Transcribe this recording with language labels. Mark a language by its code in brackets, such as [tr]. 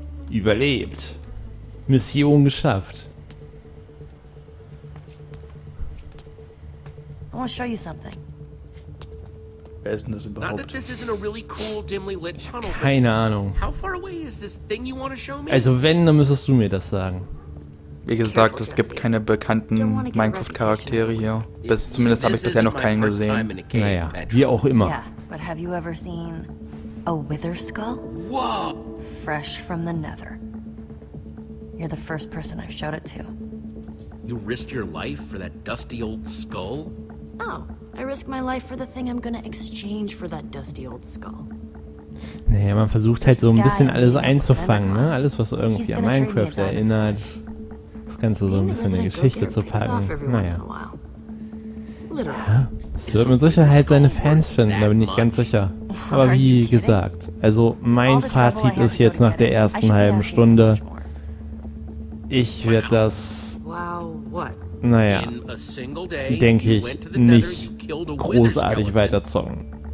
[de] Überlebt. Mission geschafft. [en] I want to show you something. [de] Wer ist denn das überhaupt? [en] Not that this isn't a really cool, dimly lit tunnel. [de] Keine Ahnung. [en] How far away is this thing you want to show me? [de] Also wenn, dann müsstest du mir das sagen. Wie gesagt, es gibt keine bekannten Minecraft-Charaktere hier. Bis zumindest habe ich bisher noch keinen gesehen. Naja, wie auch immer. [en] But have you ever seen a wither skull? Whoa! Fresh from the Nether. You're the first person I've showed it to. You risked your life for that dusty old skull? Oh, I risk my life for the thing I'm gonna exchange for that dusty old skull. [de] Naja, man versucht halt so ein bisschen alles einzufangen, ne? Alles, was irgendwie an Minecraft erinnert. Ganze so ein bisschen eine Geschichte zu packen. Naja. Es wird mit Sicherheit seine Fans finden, da bin ich ganz sicher. Aber wie gesagt, also mein Fazit ist jetzt nach der ersten halben Stunde, ich werde das, naja, denke ich, nicht großartig weiterzocken.